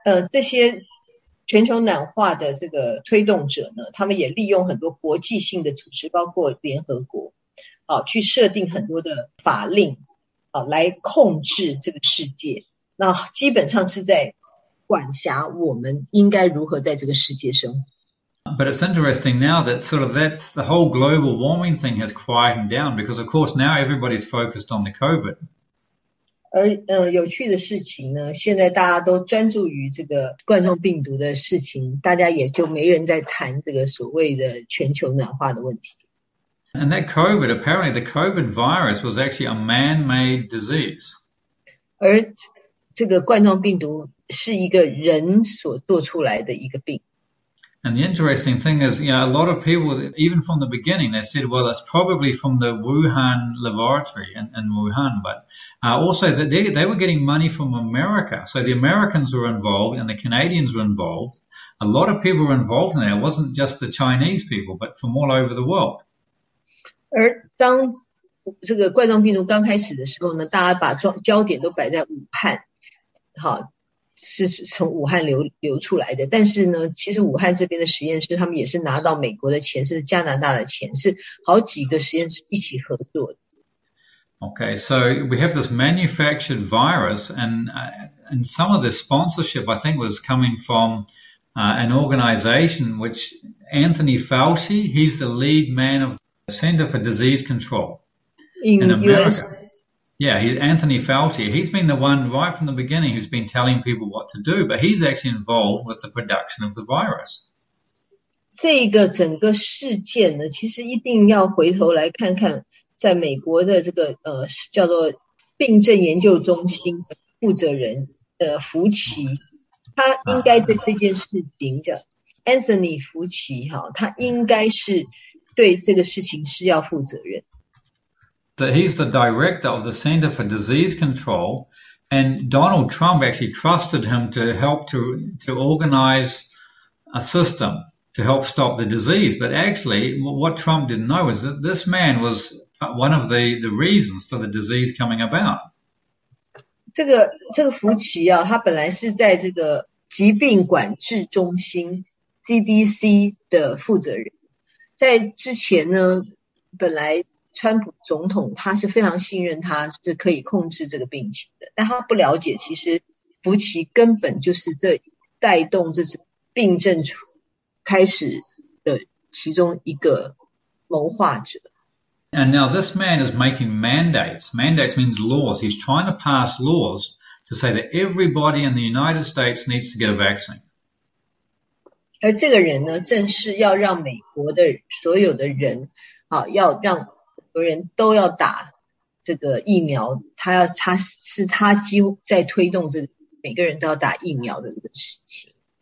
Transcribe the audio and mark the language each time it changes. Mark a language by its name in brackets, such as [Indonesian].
[Chinese] 这些全球暖化的这个推动者呢，他们也利用很多国际性的组织，包括联合国，去设定很多的法令，来控制这个世界。那基本上是在管辖我们应该如何在这个世界生活。 [English] But it's interesting now that sort of that's the whole global warming thing has quieted down because, of course, now everybody's focused on the COVID. [Chinese] 而有趣的事情呢，现在大家都专注于这个冠状病毒的事情，大家也就没人在谈这个所谓的全球暖化的问题。 [English] And that COVID, apparently the COVID virus was actually a man-made disease. [Chinese] 而这个冠状病毒是一个人所做出来的一个病。 [English] And the interesting thing is, you know, a lot of people, even from the beginning, they said, well, it's probably from the Wuhan laboratory in Wuhan. But also, they were getting money from America. So the Americans were involved and the Canadians were involved. A lot of people were involved in that. It wasn't just the Chinese people, but from all over the world. [Chinese] 而当这个冠状病毒刚开始的时候呢，大家把焦点都摆在武汉，好，是从武汉流出来的。但是呢，其实武汉这边的实验室，他们也是拿到美国的钱，是加拿大的钱，是好几个实验室一起合作的。 [English] Okay, so we have this manufactured virus, and some of the sponsorship I think was coming from an organization which Anthony Fauci, he's the lead man of the Center for Disease Control in In US. America. Yeah, Anthony Fauci, he's been the one right from the beginning who's been telling people what to do, but he's actually involved with the production of the virus. [Chinese] 这个整个事件呢，其实一定要回头来看看，在美国的这个叫做病症研究中心的负责人福奇，他应该对这件事情叫 Anthony 福奇哈，他应该是对这个事情是要负责任。 [English] So he's the director of the Center for Disease Control, and Donald Trump actually trusted him to help to organize a system to help stop the disease. But actually, what Trump didn't know is that this man was one of the reasons for the disease coming about. [Chinese] 这个福奇啊，他本来是在这个疾病管制中心 CDC 的负责人。在之前呢，本来川普总统他是非常信任他是可以控制这个病情的，但他不了解，其实福奇根本就是这带动这病症开始的其中一个谋划者。 [English] And now this man is making mandates. Mandates means laws. He's trying to pass laws to say that everybody in the United States needs to get a vaccine. [Chinese] 而这个人呢，正是要让美国的所有的人，啊，要让美国人都要打这个疫苗。他要，他是他几乎在推动这个每个人都要打疫苗的这个事情，